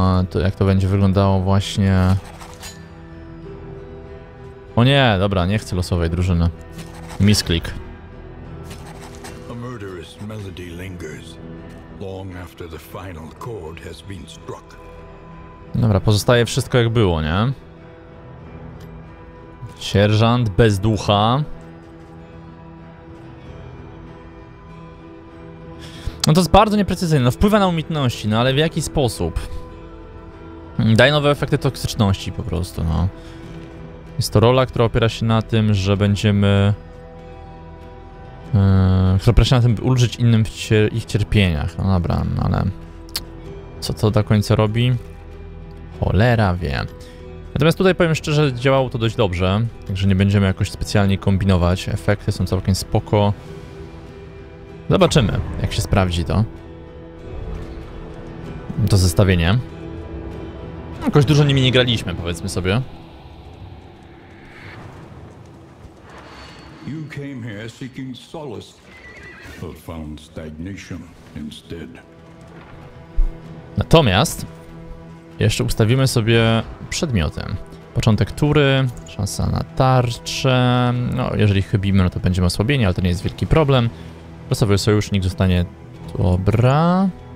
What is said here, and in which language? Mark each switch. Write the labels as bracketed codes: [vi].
[pl] to jak to będzie wyglądało właśnie... O nie, dobra, nie chcę losowej drużyny. Misclick. [en] Melody lingers long after the final chord has been struck. [pl] Dobra, pozostaje wszystko jak było, nie? Sierżant bez ducha. No to jest bardzo nieprecyzyjne. No wpływa na umiejętności, no ale w jaki sposób? Daj nowe efekty toksyczności po prostu, no. Jest to rola, która opiera się na tym, że będziemy... która prosi na tym, by ulżyć innym w ich cierpieniach. No dobra, no ale... Co to do końca robi? Cholera wie. Natomiast tutaj powiem szczerze, działało to dość dobrze. Także nie będziemy jakoś specjalnie kombinować. Efekty są całkiem spoko. Zobaczymy, jak się sprawdzi to. To zestawienie. Jakoś dużo nimi nie graliśmy, powiedzmy sobie. [en] You came here seeking solace, but found stagnation instead. [pl] Natomiast jeszcze ustawimy sobie przedmiotem. Początek tury, szansa na tarczę. No, jeżeli chybimy, no to będziemy osłabieni, ale to nie jest wielki problem. Losowy sojusznik zostanie. Dobra.